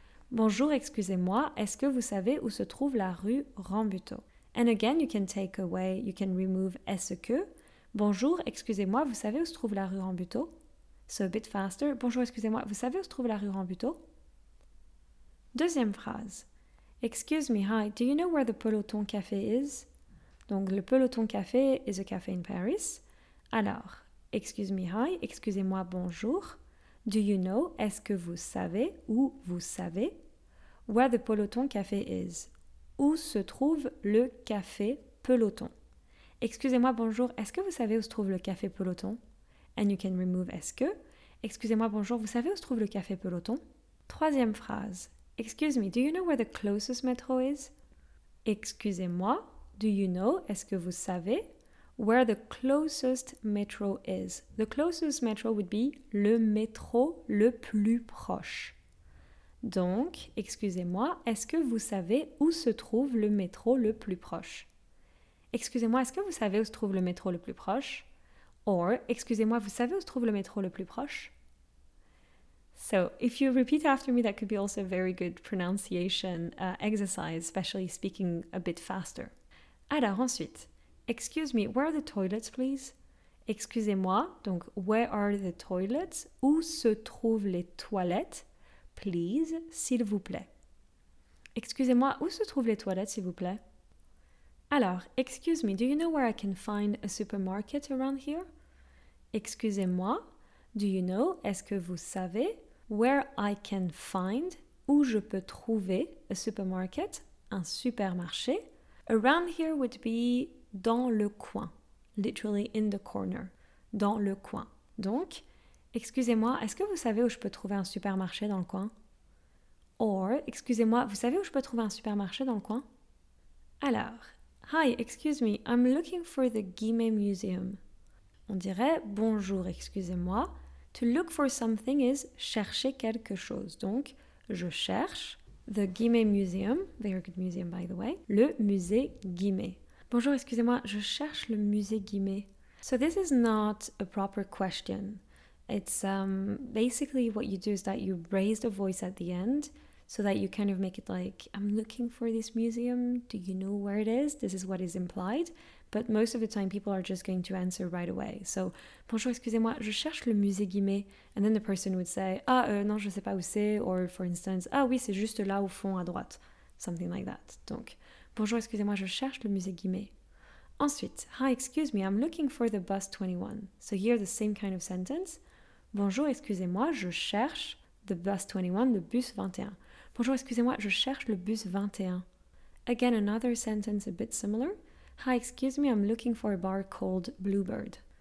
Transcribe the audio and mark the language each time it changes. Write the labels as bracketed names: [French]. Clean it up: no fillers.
[French] Bonjour, excusez-moi, est-ce que vous savez où se trouve la rue Rambuteau? [English] And again, you can take away, you can remove [French] est-ce que. Bonjour, excusez-moi, vous savez où se trouve la rue Rambuteau? [English] So a bit faster. [French] Bonjour, excusez-moi, vous savez où se trouve la rue Rambuteau? Deuxième phrase. [English] Excuse me, hi, do you know where the Peloton Café is? [French] Donc, le [English] Peloton Café is a café in Paris. [French] Alors, [English] excuse me, hi, [French] excusez-moi, bonjour. [English] Do you know, [French] est-ce que vous savez ou vous savez [English] where the Peloton Café is? [French] Où se trouve le café Peloton? Excusez-moi, bonjour, est-ce que vous savez où se trouve le café Peloton? [English] And you can remove [French] est-ce que. Excusez-moi, bonjour, vous savez où se trouve le café Peloton? Troisième phrase. [English] Excuse me, do you know where the closest metro is? [French] Excusez-moi. [English] Do you know, [French] est-ce que vous savez, [English] where the closest metro is? The closest metro would be [French] le métro le plus proche. Donc, excusez-moi, est-ce que vous savez où se trouve le métro le plus proche? Excusez-moi, est-ce que vous savez où se trouve le métro le plus proche? Or, excusez-moi, vous savez où se trouve le métro le plus proche? [English] So, if you repeat after me, that could be also a very good pronunciation exercise, especially speaking a bit faster. [French] Alors ensuite, [English] excuse me, where are the toilets please? [French] Excusez-moi, donc [English] where are the toilets? [French] Où se trouvent les toilettes? [English] Please, [French] s'il vous plaît. Excusez-moi, où se trouvent les toilettes s'il vous plaît? Alors, [English] excuse me, do you know where I can find a supermarket around here? [French] Excusez-moi, [English] do you know, [French] est-ce que vous savez [English] where I can find, [French] où je peux trouver [English] a supermarket, [French] un supermarché? [English] Around here would be [French] dans le coin, [English] literally in the corner, [French] dans le coin. Donc, excusez-moi, est-ce que vous savez où je peux trouver un supermarché dans le coin? [English] Or, [French] excusez-moi, vous savez où je peux trouver un supermarché dans le coin? Alors, [English] hi, excuse me, I'm looking for the Guimet Museum. [French] On dirait bonjour, excusez-moi. [English] To look for something is [French] chercher quelque chose. Donc, je cherche [English] the Guimet Museum, very good museum by the way, [French] le musée Guimet. Bonjour, excusez-moi, je cherche le musée Guimet. [English] So this is not a proper question. It's basically what you do is that you raise the voice at the end so that you kind of make it like, I'm looking for this museum, do you know where it is? This is what is implied. But most of the time, people are just going to answer right away. So, [French] bonjour, excusez-moi, je cherche le musée Guimet. [English] And then the person would say, [French] ah, non, je sais pas où c'est. [English] Or, for instance, [French] ah oui, c'est juste là au fond à droite. [English] Something like that. [French] Donc, bonjour, excusez-moi, je cherche le musée Guimet. Ensuite, [English] hi, excuse me, I'm looking for the bus 21. So here, the same kind of sentence. [French] Bonjour, excusez-moi, je cherche [English] the bus 21, [French] le bus 21. Bonjour, excusez-moi, je cherche le bus 21. [English] Again, another sentence a bit similar. Hi, excuse me, I'm looking for a bar called Bluebird.